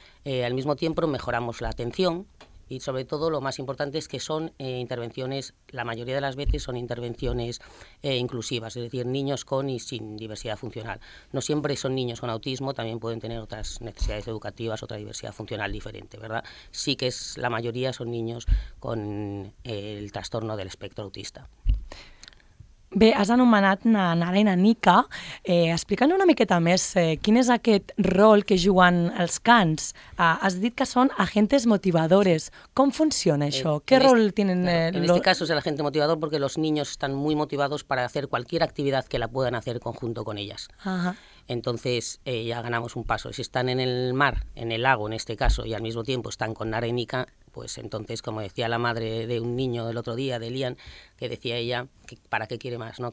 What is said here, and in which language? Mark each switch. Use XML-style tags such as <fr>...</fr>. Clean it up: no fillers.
<es>Al mismo tiempo mejoramos la atención, y sobre todo lo más importante es que son intervenciones, la mayoría de las veces son intervenciones inclusivas, es decir, niños con y sin diversidad funcional. No siempre son niños con autismo, también pueden tener otras necesidades educativas, otra diversidad funcional diferente, ¿verdad? Sí que es la mayoría son niños con el trastorno del espectro autista.</es> <ca>Bé, has anomenat Nara i Nika. Explica'ns una miqueta més quin és aquest rol que juguen els cans. Has dit que són</ca> <es>agentes motivadores.</es> <ca>Com funciona això? Què rol</ca> <es>tienen? En este caso es el agente motivador porque los niños están muy motivados para hacer cualquier actividad que la puedan hacer conjunto con ellas. Entonces ya ganamos un paso. Si están en el mar, en el lago en este caso, y al mismo tiempo están con Nara y Nika, pues entonces, como decía la madre de un niño el otro día, de Lian, que decía ella, que ¿para qué quiere más? ¿No?</es>